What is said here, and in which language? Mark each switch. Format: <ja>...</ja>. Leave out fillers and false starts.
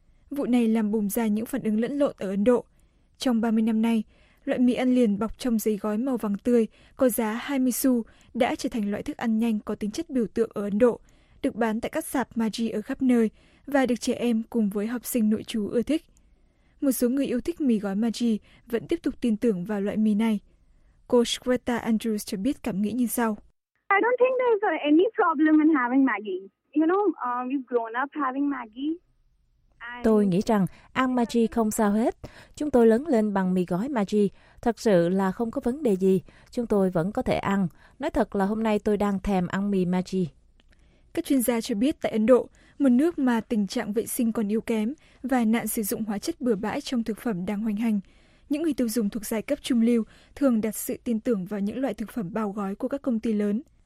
<vi>Vụ này làm bùng ra những phản ứng lẫn lộn ở Ấn Độ. Trong 30 năm nay, loại mì ăn liền bọc trong giấy gói màu vàng tươi có giá 20 xu đã trở thành loại thức ăn nhanh có tính chất biểu tượng ở Ấn Độ, được bán tại các sạp Maggi ở khắp nơi và được trẻ em cùng với học sinh nội trú ưa thích. Một số người yêu thích mì gói Maggi vẫn tiếp tục tin tưởng vào loại mì này. Cô Shweta Andrews cho biết cảm nghĩ như sau.</vi> <en>I don't think there's any problem in having Maggi. You know, we've grown up having Maggi.</en> <vi>Tôi nghĩ rằng ăn Maggi không sao hết. Chúng tôi lớn lên bằng mì gói Maggi. Thật sự là không có vấn đề gì. Chúng tôi vẫn có thể ăn. Nói thật là hôm nay tôi đang thèm ăn mì Maggi. Các chuyên gia cho biết tại Ấn Độ, một nước mà tình trạng vệ sinh còn yếu kém và nạn sử dụng hóa chất bừa bãi trong thực phẩm đang hoành hành, những người tiêu dùng thuộc giai cấp trung lưu thường đặt sự tin tưởng vào những loại thực phẩm bao gói của các công ty lớn.</vi>